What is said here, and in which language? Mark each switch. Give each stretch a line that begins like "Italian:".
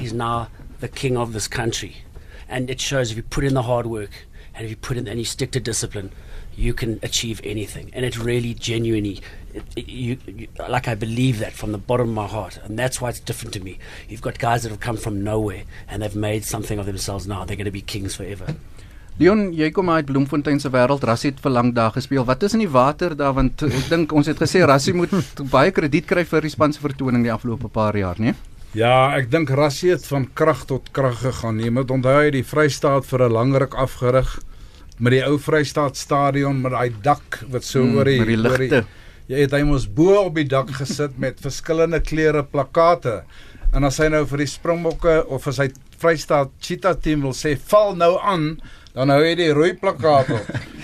English: He's now the king of this country. And it shows if you put in the hard work and if you put in and you stick to discipline, you can achieve anything. And it really genuinely, I believe that from the bottom of my heart. And that's why it's different to me. You've got guys that have come from nowhere and they've made something of themselves now. They're going to be kings forever.
Afrikaans: Leon, jy kom uit Bloemfontein se wêreld, Rassie het vir lank daar gespeel. Wat is in die water daar? Want ek dink ons het gesê Rassie moet baie krediet kry vir die span se vertoning die afgelope paar jaar, nie? Ja, ek dink Rassie het van krag tot krag gegaan. Jy moet onthou hy het die Vrystaat vir 'n lang ruk afgerig met die ou Vrystaat stadion met daai dak wat so oor die ligte. Jy het hy mos bo op die dak gesit met verskillende kleure plakate. En as hy nou vir die Springbokke of vir sy Vrystaat Cheetah team wil sê val nou aan, dan hou hy die rooi plakkaat op.